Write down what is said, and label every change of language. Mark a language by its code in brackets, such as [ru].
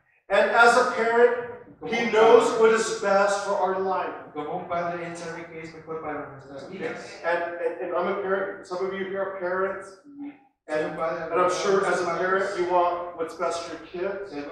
[en] And as a parent, He knows what is best for our life. [es] Como un padre, él sabe qué es mejor para nuestras vidas. [en] And I'm a parent. Some of you here are parents. And I'm sure as a parent, you want what's best for your kids.